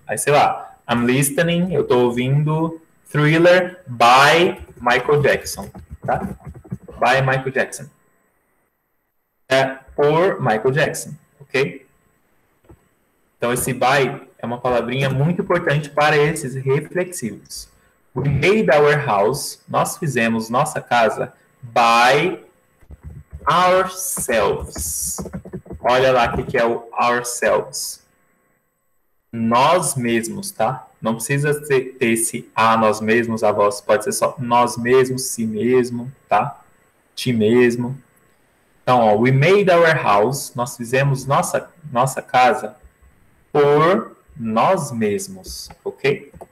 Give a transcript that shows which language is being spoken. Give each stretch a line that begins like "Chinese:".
Portuguese: Aí, sei lá,
English: I'm listening,
Portuguese: eu tô ouvindo
English: Thriller by Michael Jackson, tá? By Michael Jackson.
Portuguese: É por Michael Jackson, ok? Então, esse by é uma palavrinha muito importante para esses reflexivos.
English: We made our house,
Portuguese: nós fizemos nossa casa,
English: by ourselves.
Portuguese: Olha lá o que, que é o ourselves. Nós mesmos, tá? Não precisa ter esse a nós mesmos, a voz. Pode ser só nós mesmos, si mesmo, tá? Ti mesmo. Então, ó,
English: we made our house,
Portuguese: nós fizemos nossa casa por nós mesmos, ok?